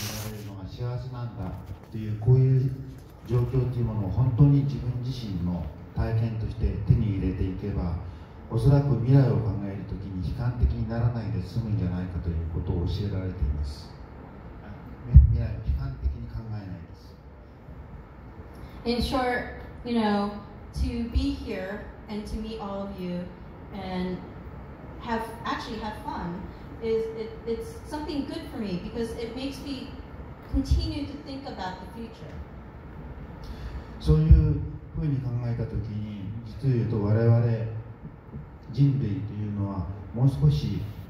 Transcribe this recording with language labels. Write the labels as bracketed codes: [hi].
[ja] というこういう状況というものを本当に自分自身の体験として手に入れていけば、おそらく未来を考えるときに悲観的にならないで済むんじゃないかということを教えられています。未来を悲観的に考えないです。 [en] In short, you know, to be here and to meet all of you and actually have fun it's something good for me because it makes mecontinue to think about the future. [ja] そういうふうに考えたときに、実を言うと我々人類というのはもう少し